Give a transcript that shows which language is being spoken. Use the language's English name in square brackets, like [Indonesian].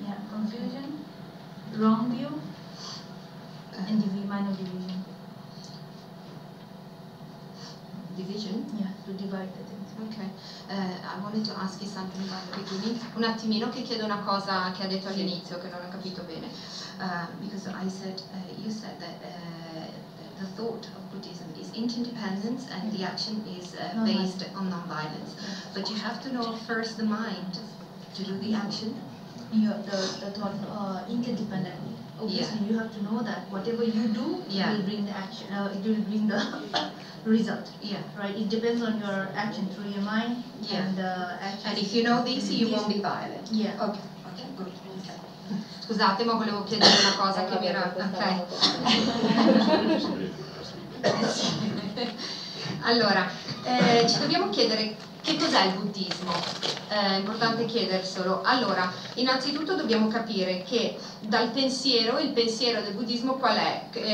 [English] Yeah, confusion, wrong view, and mind of division. Division? Yeah, to divide the things. Ok, I wanted to ask you something about the beginning. [Italian] Un attimino, che chiedo una cosa che ha detto all'inizio, che non ho capito bene. [English] Because I said, you said that the thought of Buddhism is interdependence, and the action is based on non-violence. But you have to know first the mind to do the action. The thought interdependent. Obviously, you have to know that whatever you do, it will bring the action, it will bring the result. Yeah. Right? It depends on your action through your mind and the action. And if you know this, you won't be violent. Yeah. Okay, good. Okay. [Italian] Scusate, ma volevo chiedere una cosa che mi era. Ok. Allora, ci dobbiamo chiedere. Che cos'è il buddismo? È importante chiederselo. Allora, innanzitutto dobbiamo capire che dal pensiero, il pensiero del buddismo qual è?